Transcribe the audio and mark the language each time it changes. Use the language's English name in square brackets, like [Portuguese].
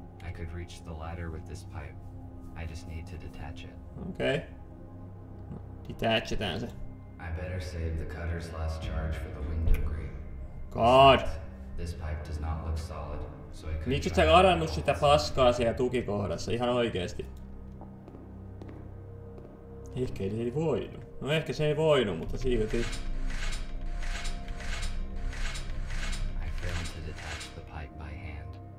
[English] I could reach the ladder with this pipe. I just need to detach it. [Finnish] Okei. Okay. Detachetään se. [English] I better save the cutter's last charge for the window grate. God! This pipe does not look solid. [Finnish] Miksi sä ladannut sitä paskaa siellä tukikohdassa, ihan oikeesti? Ehkä ei, ei voinut. No ehkä se ei voinut, mutta silti. [English] I failed to detach the pipe by hand.